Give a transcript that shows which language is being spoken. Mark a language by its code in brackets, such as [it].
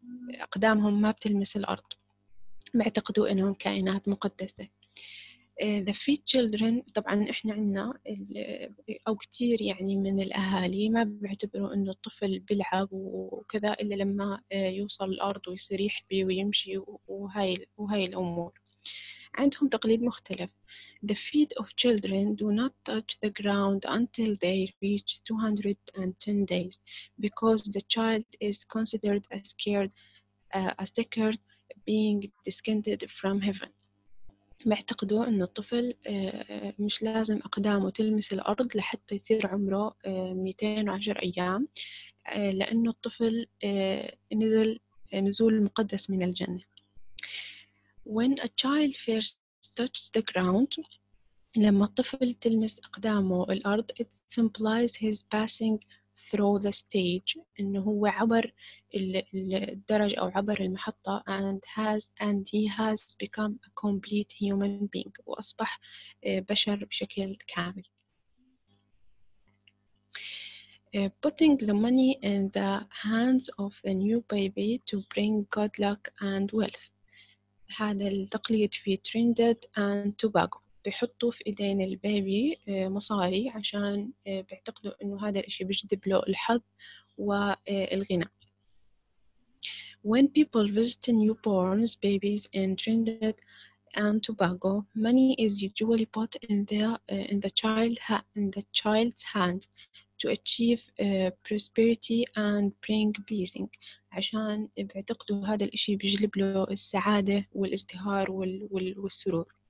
[ar] أقدامهم ما بتلمس الأرض. بيعتقدوا إنهم كائنات مقدسة. [en] the free children [ar] طبعاً إحنا عنا أو كتير يعني من الأهالي ما بيعتبروا إنه الطفل بيلعب وكذا إلا لما يوصل الأرض ويصير يحبي ويمشي وهاي الأمور. عندهم تقليد مختلف. [en] The feet of children do not touch the ground until they reach 210 days because the child is considered as scared, as sacred, being descended from heaven. [ar] بيعتقدوا أن الطفل مش لازم أقدامه تلمس الأرض لحتى يصير عمره 210 أيام لأنه الطفل نزل نزول مقدس من الجنة. [en] When a child first touches the ground, [ar] لما الطفل تلمس أقدامه الأرض, [en] it symbolizes his passing through the stage, [ar] إنه هو عبر الدرج أو عبر المحطة, [en] and he has become a complete human being, [ar] وأصبح بشر بشكل كامل. [en] Putting the money in the hands of the new baby to bring good luck and wealth. [ar] هذا التقليد في تريندد and توباغو, بيحطوا في إيدين البيبي مصاري عشان بيعتقدوا إنه هذا الإشي بيجذب له الحظ والغنى. [en] When people visit newborn babies in Trinidad and Tobago, money is usually put in the child's hands to achieve prosperity and bring blessing, [ar] عشان بيعتقدوا هذا الإشي بيجلب له السعادة والازدهار والسرور.